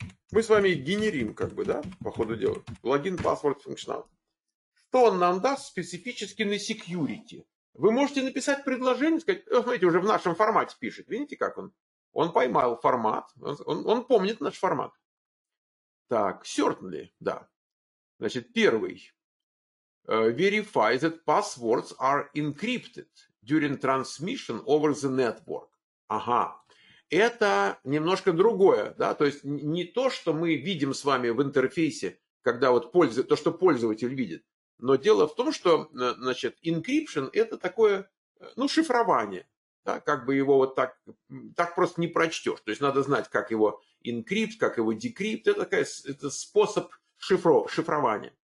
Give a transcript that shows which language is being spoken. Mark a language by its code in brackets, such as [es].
[ru] Мы с вами генерим, как бы, да, по ходу дела. [en] Login, password, functionality. [ru] Что он нам даст специфически на security? Вы можете написать предложение, сказать, смотрите, уже в нашем формате пишет. Видите, как он? Он поймал формат, он помнит наш формат. Так, certainly, да. Значит, первый. [en] Verify that passwords are encrypted during transmission over the network. [ru] Ага. Это немножко другое, да. То есть не то, что мы видим с вами в интерфейсе, когда вот то, что пользователь видит. Но дело в том, что, значит, encryption – это такое, ну, шифрование. Да, как бы его вот так просто не прочтешь. То есть надо знать, как его encrypt, как его decrypt. Это способ шифрования.